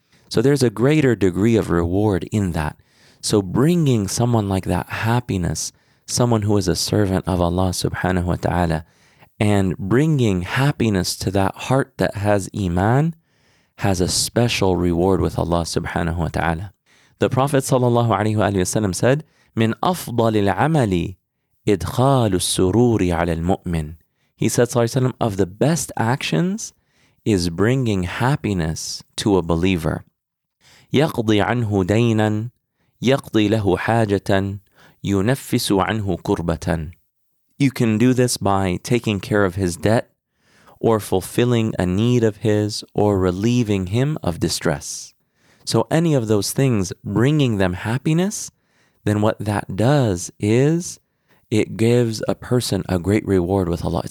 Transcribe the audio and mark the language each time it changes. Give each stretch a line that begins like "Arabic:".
English: So there's a greater degree of reward in that. So bringing someone like that happiness, someone who is a servant of Allah subhanahu wa ta'ala, and bringing happiness to that heart that has iman, has a special reward with Allah subhanahu wa ta'ala. The Prophet sallallahu alaihi wasallam said,
Arabic: "Min afdal al-amali idkhal as-sururi 'ala al-mu'min."
English: He said, sallallahu alaihi wasallam, of the best actions is bringing happiness to a believer.
Arabic: يقضي عنه دينا يقضي له حاجة ينفس عنه كربة.
English: You can do this by taking care of his debt or fulfilling a need of his or relieving him of distress. So any of those things, bringing them happiness, then what that does is it gives a person a great reward with Allah.